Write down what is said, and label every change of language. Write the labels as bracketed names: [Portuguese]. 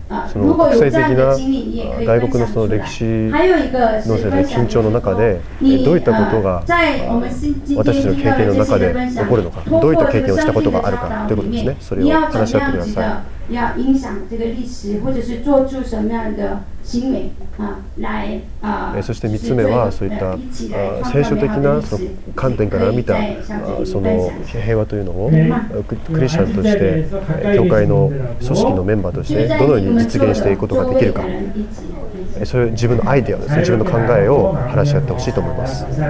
[Japanese] その国際的な外国 の, その歴史のせいで緊張の中でどういったことが私たちの経験の中で起こるのか、どういった経験をしたことがあるかということですね。それを話し合ってください。 [Chinese] 要影响这个历史，或者是做出什么样的行为啊，来啊。 [Japanese] そして三つ目はそういった聖書的なその観点から見たその平和というのをクリスチャンとして教会の組織のメンバーとしてどのように実現していくことができるか。それ自分のアイデアですね、自分の考えを話し合ってほしいと思います。